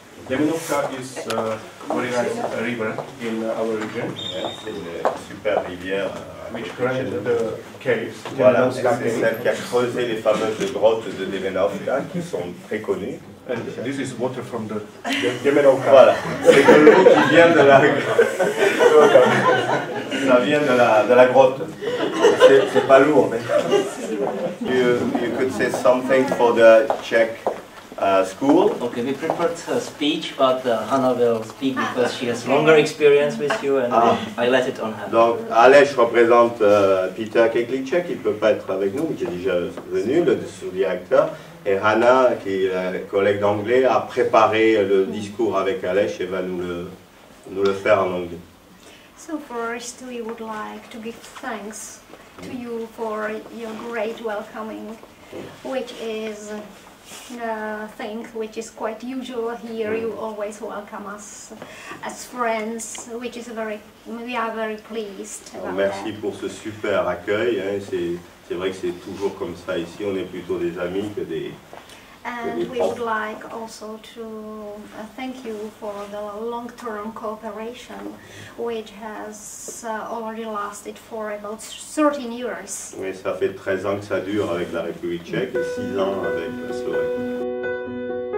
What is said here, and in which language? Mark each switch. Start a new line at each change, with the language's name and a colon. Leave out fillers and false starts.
English: Demenovka is a very nice river in our region.
French: Yes, super rivière.
English: Which created the caves.
French: Voilà, c'est celle qui a creusé les fameuses grottes de Demenovka, qui sont très connues.
English: And this is water from the Demenovka.
French: Voilà, c'est de l'eau qui vient de la grotte. Ça vient de la grotte. C'est pas lourd, mais...
English: you could say something for the Czech school. Okay, we prepared a speech, but Hannah will speak because she has longer experience with you, and I let it on her.
French: Donc, Aleš représente Peter Keklicek, il peut pas être avec nous, mais qui est déjà venu, le sous-directeur. Et Hannah, qui est la collègue d'anglais, a préparé le discours avec Aleš et va nous le faire en anglais.
English: So first, we would like to give thanks to you for your great welcoming, which is a thing which is quite usual here. You always welcome us as friends, which is we are very pleased.
French: Merci pour ce super accueil. C'est vrai que c'est toujours comme ça ici. On est plutôt des amis que des.
English: And we would like also to thank you for the long-term cooperation, which has already lasted for about 13 years.
French: Oui, ça fait 13 ans que ça dure avec la République tchèque et 6 ans avec la Slovaquie.